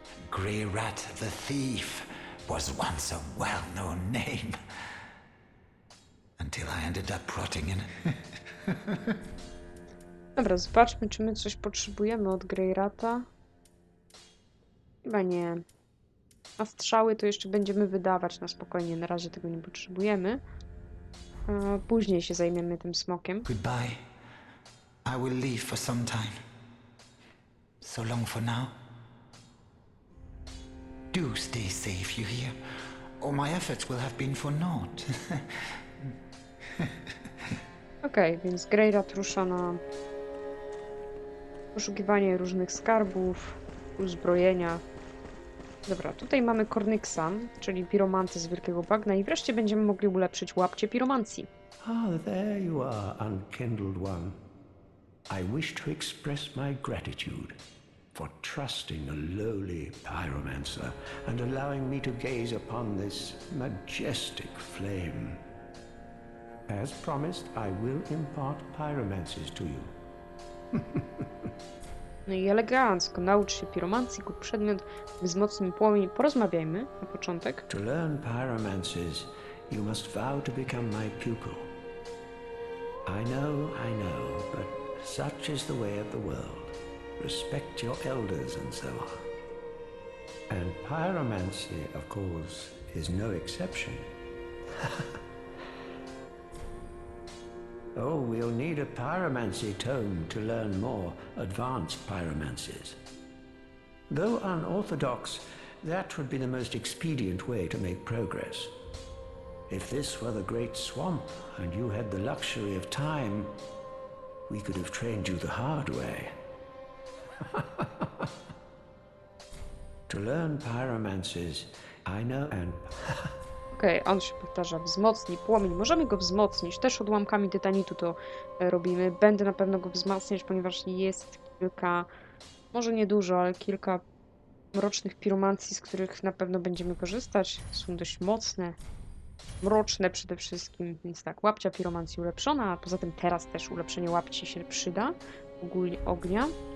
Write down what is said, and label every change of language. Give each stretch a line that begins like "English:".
English: Grey Rat the Thief was once a well-known name. Until I ended up rotting in...
Polish: Dobra, zobaczmy, czy my coś potrzebujemy od Grey Rata. Chyba nie. A strzały to jeszcze będziemy wydawać na spokojnie. Na razie tego nie potrzebujemy. A później się zajmiemy tym smokiem.
English: Goodbye. I will leave for some time. So long for now. Do stay safe, you hear? Or my efforts will have been for naught.
Polish: Okej, więc Grey Rat rusza na poszukiwanie różnych skarbów, uzbrojenia. Dobra, tutaj mamy Kornyxa, czyli piromanty z Wielkiego Bagna i wreszcie będziemy mogli ulepszyć łapcie piromancji.
English: Ah, there you are, unkindled one. I wish to express my gratitude for trusting a lowly pyromancer and allowing me to gaze upon this majestic flame. As promised, I will impart pyromancies to you.
Polish: No i elegancko, naucz się piromancji, kup przedmiot, wzmocnij płomień, porozmawiajmy na początek.
English: To learn pyromancies, you must vow to become my pupil. I know, but such is the way of the world. Respect your elders and so on. And pyromancy, of course, is no exception. Oh, we'll need a pyromancy tome to learn more advanced pyromancies. Though unorthodox, that would be the most expedient way to make progress. If this were the Great Swamp and you had the luxury of time, we could have trained you the hard way. To learn pyromancies, I know and...
Polish: Okej, on się powtarza, wzmocni płomień. Możemy go wzmocnić, też odłamkami tytanitu to robimy. Będę na pewno go wzmacniać, ponieważ jest kilka, może nie dużo, ale kilka mrocznych piromancji, z których na pewno będziemy korzystać. Są dość mocne, mroczne przede wszystkim, więc tak, łapcia piromancji ulepszona, a poza tym teraz też ulepszenie łapci się przyda, ogólnie ognia.